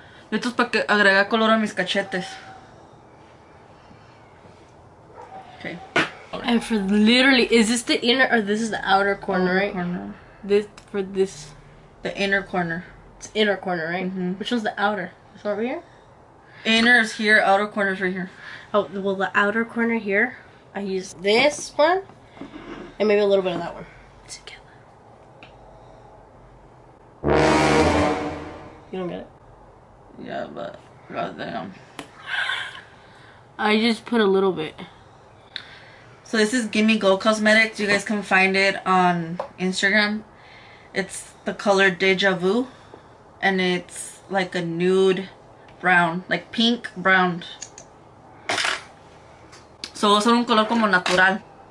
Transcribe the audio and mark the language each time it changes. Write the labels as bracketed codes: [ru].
[es] Esto es para que agregar color a mis cachetes. [en] Okay. And for literally, is this the inner or this is the outer corner, right? The inner corner. It's inner corner, right? Mm-hmm. Which one's the outer? Is it over here? Inner is here, outer corner is right here. Oh, well, the outer corner here, I use this one, and maybe a little bit of that one. Together. You don't get it? Yeah, but goddamn. I just put a little bit. So this is Gimme Glow Cosmetics. You guys can find it on Instagram. It's the color Deja Vu, and it's like a nude brown, like pink brown. [es] So voy a usar un color como natural.